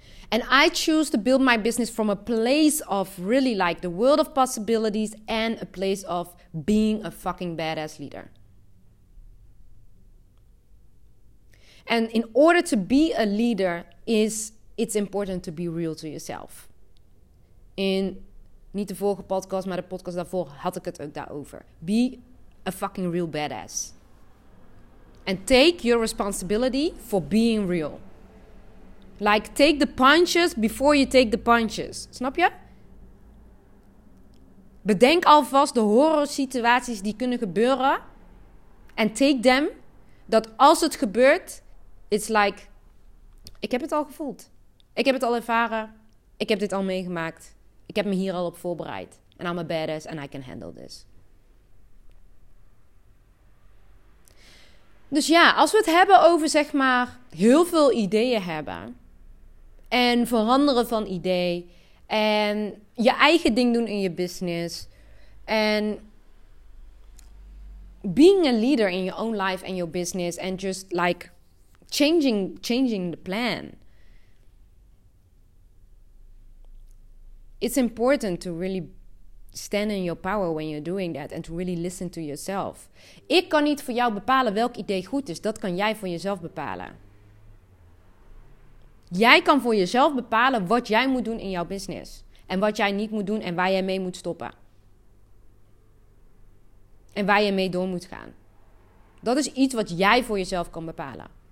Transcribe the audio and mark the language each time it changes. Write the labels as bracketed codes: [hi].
[en] And I choose to build my business from a place of really like the world of possibilities and a place of being a fucking badass leader. And in order to be a leader, it's important to be real to yourself. [nl] In niet de vorige podcast, maar de podcast daarvoor had ik het ook daarover. [en] Be a fucking real badass. And take your responsibility for being real. Like, take the punches before you take the punches. [nl] Snap je? Bedenk alvast de horror situaties die kunnen gebeuren. [en] And take them. [nl] Dat als het gebeurt, [en] it's like, [nl] ik heb het al gevoeld. Ik heb het al ervaren. Ik heb dit al meegemaakt. Ik heb me hier al op voorbereid. [en] And I'm a badass and I can handle this. [nl] Dus ja, als we het hebben over, zeg maar, heel veel ideeën hebben. En veranderen van idee. En je eigen ding doen in je business. [en] En being a leader in your own life and your business. And just like changing the plan. It's important to really stand in your power when you're doing that. And to really listen to yourself. [nl] Ik kan niet voor jou bepalen welk idee goed is. Dat kan jij voor jezelf bepalen. Jij kan voor jezelf bepalen wat jij moet doen in jouw business. En wat jij niet moet doen en waar jij mee moet stoppen. En waar je mee door moet gaan. Dat is iets wat jij voor jezelf kan bepalen.